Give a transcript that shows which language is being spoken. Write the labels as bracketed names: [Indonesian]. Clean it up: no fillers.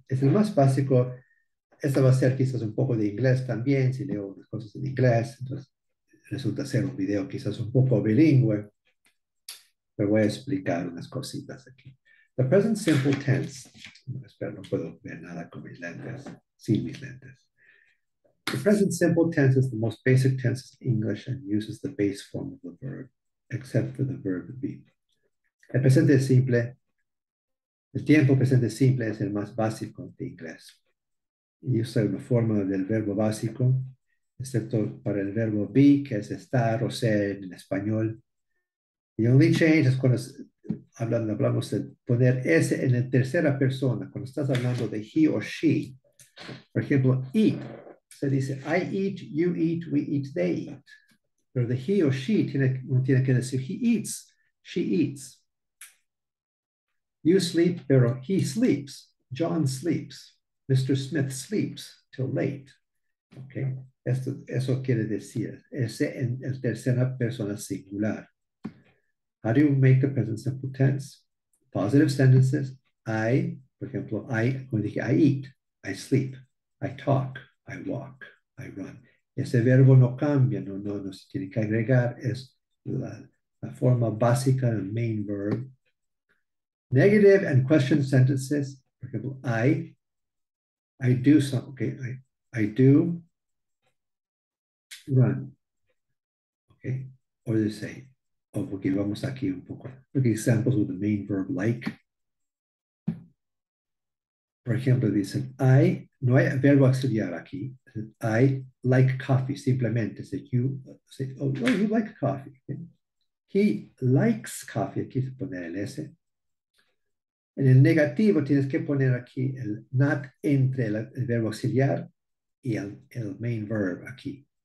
[Spanish] Es el más básico. Esto va a ser quizás un poco de inglés también, si leo unas cosas en inglés. Entonces resulta ser un video quizás un poco bilingüe. Pero voy a explicar unas cositas aquí. [English] The present simple tense. [Spanish] Bueno, espero, no puedo ver nada con mis lentes, sin mis lentes. [English] The present simple tense is the most basic tense in English and uses the base form of the verb, except for the verb be. [Spanish] El presente simple, el tiempo presente simple es el más básico de inglés. Y usa una forma del verbo básico, excepto para el verbo be, que es estar o ser en español. [English] The only change [Spanish] es cuando hablamos de poner ese en la tercera persona, cuando estás hablando de [English] he or she. [Spanish] Por ejemplo, eat. Se dice, [English] I eat, you eat, we eat, they eat. [Spanish] Pero de he o she uno tiene que decir, [English] he eats, she eats. You sleep, pero he sleeps. John sleeps. Mr. Smith sleeps till late. Okay. [Spanish] Eso quiere decir, ese en el tercera persona singular. [English] How do you make the present simple tense? Positive sentences. I, [Spanish] por ejemplo, [English] I, [Spanish] como dije, [English] I eat, I sleep, I talk. I walk, I run. [Spanish] Ese verbo no cambia, no se tiene que agregar, es la forma básica del main verb. [English] Negative and question sentences, [Spanish] por ejemplo, [English] I do something, okay, I do run, okay, or they say, oh, okay, [Spanish] vamos aquí un poco. [English] Okay, examples with the main verb like. [Spanish] Por ejemplo, dicen, I, no hay verbo auxiliar aquí. [English] I like coffee, simplemente. Say, you say, oh, well, you like coffee. He likes coffee. [Spanish] Aquí se pone el S. En el negativo tienes que poner aquí el not entre el verbo auxiliar y el main verb aquí.